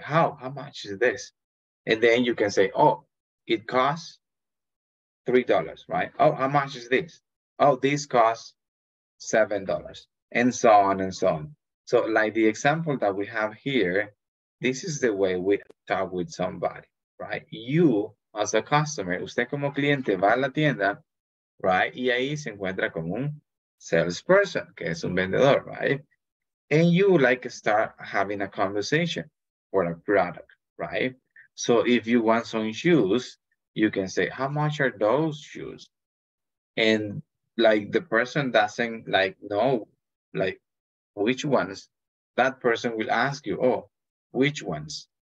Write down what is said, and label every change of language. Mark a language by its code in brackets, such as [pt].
[en] How much is this? And then you can say, oh, it costs $3, right? Oh, how much is this? Oh, this costs $7, and so on and so on. So like the example that we have here, this is the way we talk with somebody, right? You as a customer, [es] usted como cliente va a la tienda, [en] right? [es] Y ahí se encuentra con un salesperson, que es un vendedor, right? [en] And you like start having a conversation for a product, right? So if you want some shoes, you can say, how much are those shoes? And like the person doesn't like know like which ones, that person will ask you, oh, which ones?